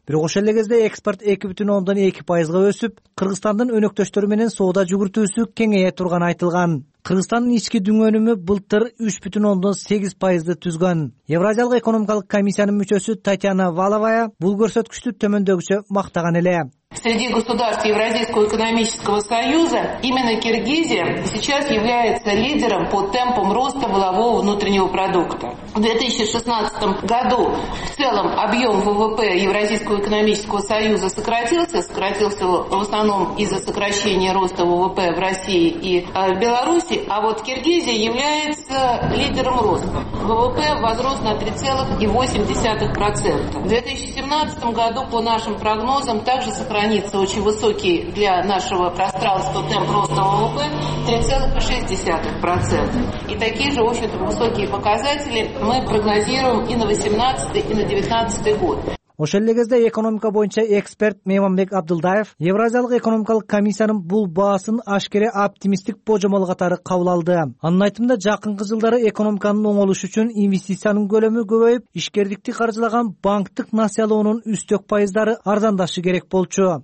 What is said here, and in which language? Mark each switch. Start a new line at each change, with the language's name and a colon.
Kyrgyz: Бирок ошол эле кезде экспорт 2.2% өсүп, Кыргызстандын өнөктөштөрү менен соода жүгүртүүсү кеңейе турганы айтылган. Кыргызстандын ички дүң өнүмү былтыр 3.8% түзгөн. Евразиялык экономикалык комиссиянын мүчөсү Татьяна Валовая бул көрсөткүчтү төмөндөгүчө мактаган эле.
Russian: Среди государств Евразийского экономического союза именно Киргизия сейчас является лидером по темпам роста валового внутреннего продукта. В 2016 году в целом объем ВВП Евразийского экономического союза сократился в основном из-за сокращения роста ВВП в России и в Беларуси, а вот Киргизия является лидером роста. ВВП возрос на 3.8%. В 2017 году по нашим прогнозам также сохранится очень высокий для нашего пространства темп роста ВВП 3.6%. И такие же, в общем-то, высокие показатели мы прогнозируем и на 2018, и на 2019 год.
Kyrgyz: Ошол эле кезде экономика боюнча эксперт Мейманбек Абдылдаев Евразиялык экономикалык комиссиянын бул баасын ашкере оптимисттик божомол катары кабыл алды. Анын айтымында жакынкы жылдары экономиканын оңолушу үчүн инвестициянын көлөмү көбөйүп, ишкердикти каржылаган банктык насыялоонун үстөк пайыздары арзандашы керек болчу.